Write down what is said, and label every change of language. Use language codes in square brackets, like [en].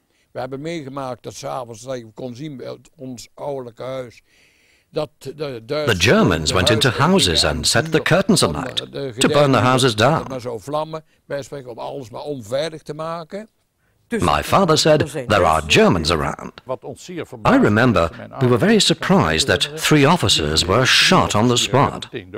[nl] We hebben meegemaakt dat 's avonds dat je kon zien uit ons ouderlijke huis dat de Duitsers. [en] The Germans went into houses and set the curtains alight to burn the houses down. [nl] Maar zo vlammen, bijvoorbeeld om alles maar onveilig te maken. [en] My father said there are Germans around. I remember we were very surprised that three officers were shot on the spot.